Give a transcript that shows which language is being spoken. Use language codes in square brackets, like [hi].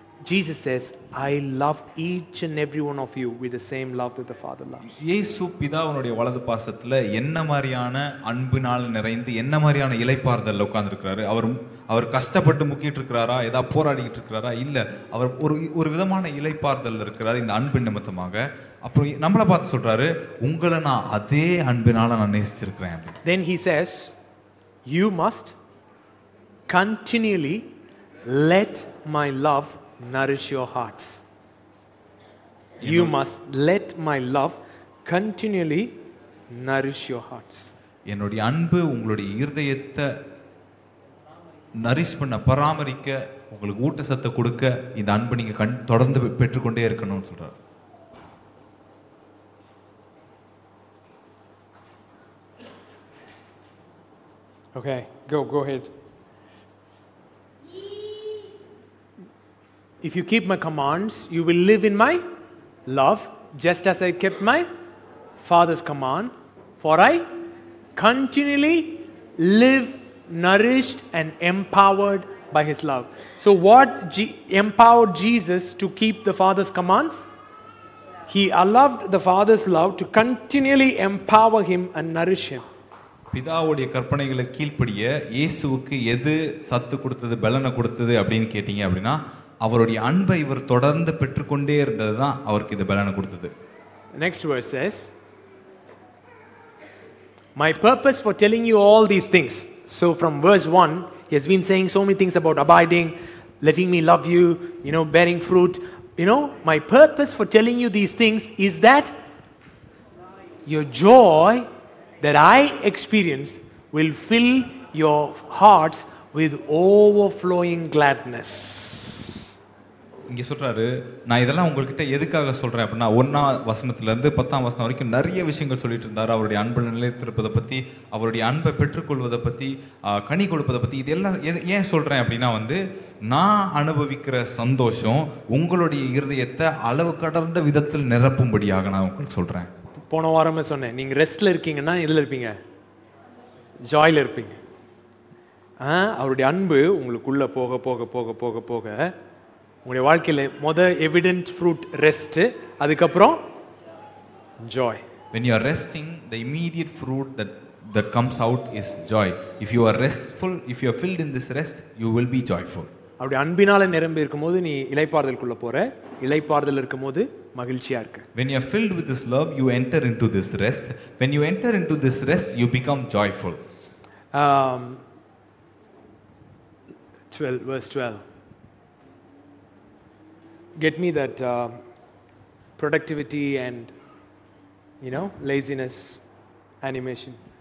[en] Jesus says, I love each and every one of you with the same love that the Father loves. [ta] இயேசு பிதாவினுடைய வலது பாசத்துல என்ன மாதிரியான அன்பினால் நிறைந்து என்ன மாதிரியான இளைப்பாறுதல் உட்கார்ந்திருக்கிறாரு. அவர் கஷ்டப்பட்டு முக்கிட்டு இருக்கிறாரா, ஏதா போராடிக்கிட்டு இருக்கிறாரா, இல்ல அவர் ஒரு விதமான இளைப்பாறுதல் இருக்கிறாரு இந்த அன்பு நிமித்தமாக. அப்புறம் நம்மளை பார்த்து சொல்றாரு, உங்களை நான் அதே அன்பினால நான் நேசிச்சிருக்கிறேன். [en] Then he says, you must continually let my love nourish your hearts. You must let my love continually nourish your hearts. [ta] என்னுடைய அன்பு உங்களுடைய இதயத்தை நரிஷ் பண்ண, பராமரிக்க, உங்களுக்கு ஊட்டச்சத்து கொடுக்க இந்த அன்பு நீங்க தொடர்ந்து பெற்றுக்கொண்டே இருக்கணும்னு சொல்றார். [en] Okay, go ahead. If you keep my commands, you will live in my love, just as I kept my Father's command. For I continually live nourished and empowered by his love. So what empowered Jesus to keep the Father's commands? He allowed the Father's love to continually empower him and nourish him. [ta] பிதாவுடைய கற்பனைகளை கீழ்ப்படிய இயேசுவுக்கு எது சத்து கொடுத்தது, பலனை கொடுத்தது அப்படின்னு கேட்டீங்க அப்படின்னா, அவருடைய அன்பை இவர் தொடர்ந்து பெற்றுக்கொண்டே இருந்தது தான் அவருக்கு இந்த பலனை கொடுத்தது. [en] Next verse says, my purpose for telling you all these things. So from verse 1, he has been saying so many things about abiding, letting me love you, you know, bearing fruit. You know, my purpose for telling you these things is that your joy that I experience will fill your hearts with overflowing gladness. [ta] இங்க சொல்றாரு, நான் இதெல்லாம் உங்ககிட்ட எதுக்காக சொல்றேன் அப்படின்னா, ஒன்னா வசனத்துல இருந்து பத்தாம் வசனம் வரைக்கும் நிறைய விஷயங்கள் சொல்லிட்டு இருந்தாரு. அவருடைய அன்பு நிலைத்திருப்பதை பத்தி, அவருடைய அன்பை பெற்றுக்கொள்வதை பத்தி, கனி கொடுப்பதை பத்தி, இதெல்லாம் ஏன் சொல்றேன் அப்படின்னா, வந்து நான் அனுபவிக்கிற சந்தோஷம் உங்களுடைய இருதயத்தை அளவு கடந்த விதத்தில் நிரப்பும்படியாக நான் உங்களுக்கு சொல்றேன். போன வாரமே சொன்னேன், நீங்க ரெஸ்ட்ல இருக்கீங்கன்னா எதுல இருப்பீங்க, ஜாயில இருப்பீங்க. அவருடைய அன்பு உங்களுக்குள்ள போக போக போக போக போக உங்களுடைய வாழ்க்கையில் மொதல் [en] evident fruit rest, [ta] அதுக்கப்புறம் Joy. [en] When you are resting, the immediate fruit that comes out is joy. If you are restful, if you are filled in this rest, you will be joyful. [ta] அவருடைய அன்பினால நிரம்பி இருக்கும்போது நீ இளைப்பாறுதலுக்குள்ள போற, இளைப்பாறுதல் இருக்கும்போது மகிழ்ச்சியா இருக்க. [en] When you are filled with this love, you enter into this rest. When you enter into this rest, you become joyful. 12, verse 12. Get me that productivity and, you know, laziness animation.